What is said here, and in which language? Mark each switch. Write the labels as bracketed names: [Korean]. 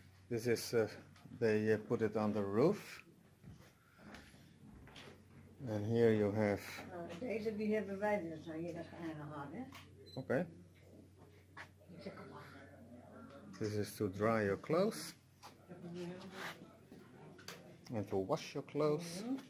[English] This is they put it on the roof. And here you have. [Dutch] Deze die hebben wij dus hier gehad, hè? Okay. [English] This is to dry your clothes and to wash your clothes.